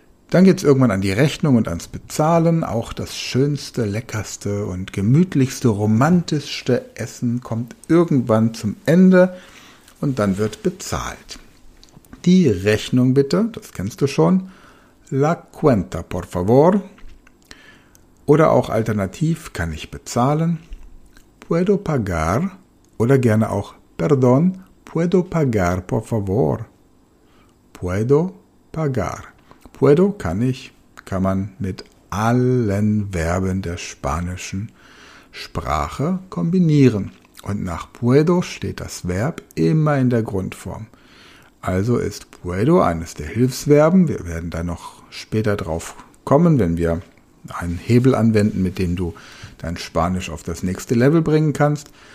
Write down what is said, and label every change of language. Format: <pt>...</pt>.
<de>Dann geht's irgendwann an die Rechnung und ans Bezahlen. Auch das schönste, leckerste und gemütlichste, romantischste Essen kommt irgendwann zum Ende und dann wird bezahlt. Die Rechnung bitte, das kennst du schon.</de> <es>La cuenta, por favor.</es> <de>Oder auch alternativ kann ich bezahlen.</de> <es>Puedo pagar</es> <de>oder gerne auch</de> <es>perdón, puedo pagar, por favor. Puedo pagar.</es> <de>Puedo kann ich, kann man mit allen Verben der spanischen Sprache kombinieren. Und nach puedo steht das Verb immer in der Grundform. Also ist puedo eines der Hilfsverben. Wir werden da noch später drauf kommen, wenn wir einen Hebel anwenden, mit dem du dein Spanisch auf das nächste Level bringen kannst.</de>